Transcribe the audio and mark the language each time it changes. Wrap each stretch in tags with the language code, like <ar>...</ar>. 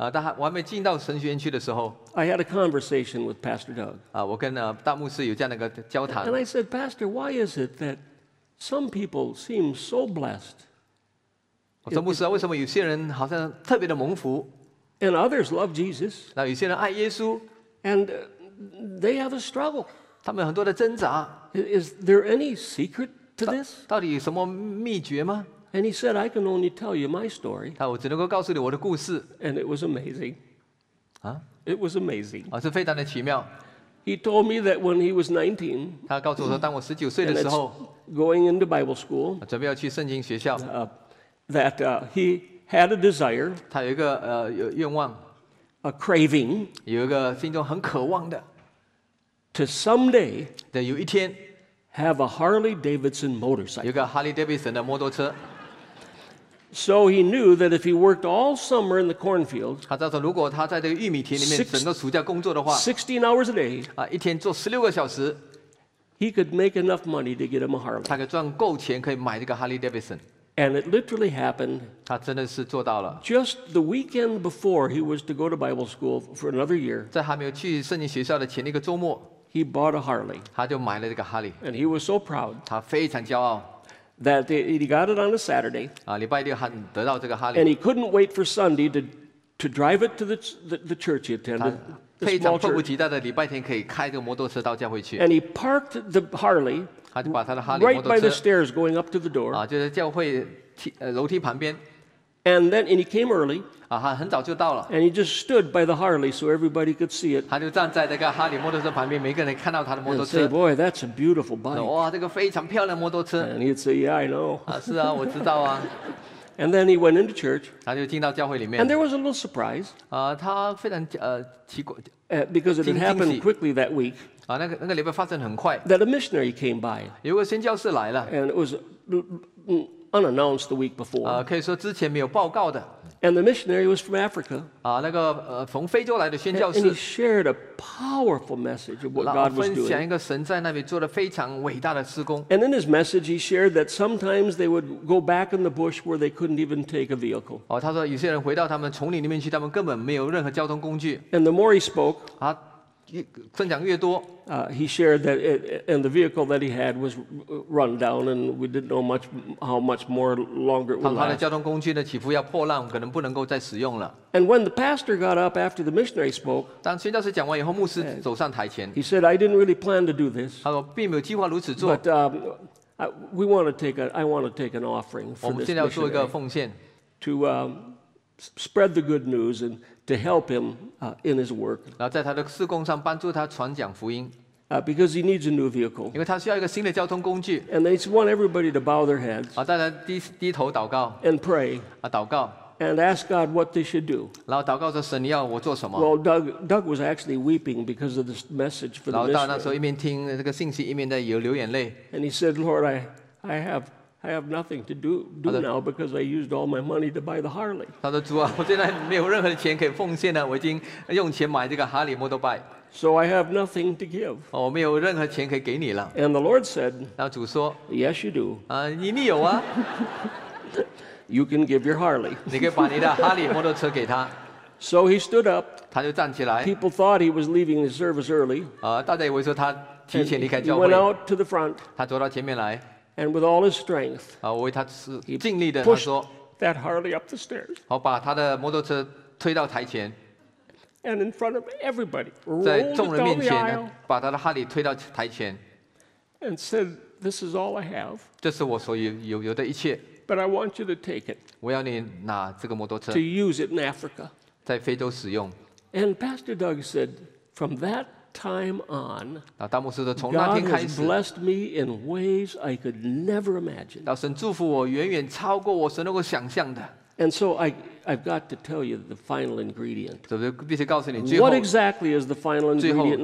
<zh>但我还没进到神学院去的时候</zh> <en>I had a conversation with Pastor Doug.</en> <zh>我跟大牧师有这样的一个交谈</zh> <en>And I said, Pastor, why is it that some people seem so blessed?</en> <zh>我说牧师啊，为什么有些人好像特别的蒙福</zh> <en>And others love Jesus.</en> <zh>那有些人爱耶稣</zh> <en>And they have a struggle.</en> <zh>他们有很多的挣扎</zh> <en>Is there any secret to this?</en> <zh>到底有什么秘诀吗？</zh> <en>And he said, "I can only tell you my story."</en> <zh>我只能够告诉你我的故事。</zh> <en>And it was amazing. It was amazing.</en> <zh>是非常的奇妙。</zh> <en>He told me that when he was 19,</en> <zh>他告诉我说，当我十九岁的时候</zh> <en>，going into Bible school,</en> <zh>准备要去圣经学校。</zh> <en>That he had a desire.</en> <zh>他有一个愿望。</zh> <en>A craving.</en> <zh>有一个心中很渴望的。</zh> <en>To someday.</en> <zh>的有一天。</zh> <en>Have a Harley Davidson motorcycle.</en> <zh>有个 Harley Davidson 的摩托车。</zh> <en>So he knew that if he worked all summer in the cornfield,</en> <zh>他知道如果他在这个玉米田里面整个暑假工作的话</zh> <en>，16 hours a day,</en> <zh>一天做16个小时</zh> <en>，he could make enough money to get him a Harley.</en> <zh>他可以赚够钱可以买这个 Harley Davidson.</zh> <en>And it literally happened.</en> <zh>他真的是做到了。</zh> <en>Just the weekend before he was to go to Bible school for another year,</en> <zh>在还没有去圣经学校的前一个周末。</zh> <en>He bought a Harley.</en> <zh>他就买了这个哈利。</zh> <en>And he was so proud.</en> <zh>他非常骄傲。</zh> <en>That he got it on a Saturday.</en> <zh>礼拜六还得到这个哈利。</zh> <en>And he couldn't wait for Sunday to drive it to the church he attended.</en> <zh>非常迫不及待的礼拜天可以开着摩托车到教会去。</zh> <en>And he parked the Harley right by the stairs going up to the door.</en> <zh>就在教会楼梯旁边。</zh> <en>And then and he came early.</en> <zh>很早就到了。</zh> <en>And he just stood by the Harley so everybody could see it.</en> <zh>他就站在那个哈利摩托车旁边，每个人看到他的摩托车。</zh> <en>And say, boy, that's a beautiful bike.</en> <zh>哇，这个非常漂亮摩托车。</zh> <en>And he'd say, yeah, I know.</en> <zh>是啊，我知道啊。</zh> <en>And then he went into church.</en> <zh>他就进到教会里面。</zh> <en>And there was a little surprise.</en> <zh>他非常奇怪。</zh> <en>Because it had happened quickly that week.</en> <zh>那个礼拜发生很快。</zh> <en>That a missionary came by.</en> <zh>有个宣教士来了。</zh> <en>And it was unannounced the week before.</en> <zh>可以说之前没有报告的。</zh> <en>And the missionary was from Africa.</en> <zh>那个从非洲来的宣教士。</zh> <en>And he shared a powerful message of what God was doing.</en> <zh>分享一个神在那边做的非常伟大的事工。</zh> <en>And in his message, he shared that sometimes they would go back in the bush where they couldn't even take a vehicle.</en> <zh>他说有些人回到他们丛林里面去，他们根本没有任何交通工具。</zh> <en>And the more he spoke,</en> <zh>分享越多。</zh> <en>He shared that and the vehicle that he had was run down, and we didn't know much how much more longer it would last.</en> <zh>他的交通工具呢，起伏要破烂，可能不能够再使用了。</zh> <en>And when the pastor got up after the missionary spoke,</en> <zh>当宣教士讲完以后，牧师走上台前。</zh> <en>He said, "I didn't really plan to do this."</en> <zh>他说并没有计划如此做。</zh> <en>But we want to take a, I want to take an offering for this missionary.</en> <zh>我们现在要做一个奉献</zh> <en>to spread the good news and. To help him in his work.</en> <zh>然后在他的事工上帮助他传讲福音。</zh> <en>Because he needs a new vehicle.</en> <zh>因为他需要一个新的交通工具。</zh> <en>And they want everybody to bow their heads.</en> <zh>大家低头祷告。</zh> <en>And pray.</en> <zh>祷告。</zh> <en>And ask God what they should do.</en> <zh>然后祷告说神你要我做什么。</zh> <en>Well, Doug was actually weeping because of this message for the missionary.</en> <zh>老大那时候一边听这个信息，一边在有流眼泪。</zh> <en>And he said, Lord, I have nothing to do now because I used all my money to buy the Harley.</en> <zh>他说：“主啊，我现在没有任何钱可以奉献了，我已经用钱买这个哈利摩托车。”</zh> <en>So I have nothing to give.</en> <zh>我没有任何钱可以给你了。</zh> <en>And the Lord said,</en> <zh>然后主说</zh> <en>，Yes, you do.</en> <zh>你有啊。</zh> <en>You can give your Harley.</en> <zh>你可以把你的哈利摩托车给他。</zh> <en>So he stood up.</en> <zh>他就站起来。</zh> <en>People thought he was leaving the service early.</en> <zh>大家以为说他提前离开教会。</zh> <en>He went out to the front.</en> <zh>他走到前面来。</zh> <en>And with all his strength, he pushed that Harley up the stairs.</en> <zh>好，把他的摩托车推到台前。</zh> <en>And in front of everybody,</en> <zh>在众人面前，把他的哈利推到台前。</zh> <en>And said, "This is all I have."</en> <zh>这是我所有的一切。</zh> <en>But I want you to take it.</en> <zh>我要你拿这个摩托车。</zh> <en>To use it in Africa.</en> <zh>在非洲使用。</zh> <en>And Pastor Doug said, "From that." Time on.</en> <zh>大牧师说，从那天开始</zh> <en>，God has blessed me in ways I could never imagine.</en> <zh>到神祝福我，远远超过我所能够想象的。</zh> <en>And so I've got to tell you the final ingredient.</en> <zh>对不对？必须告诉你最后。</zh> <en>What exactly is the final ingredient?</en>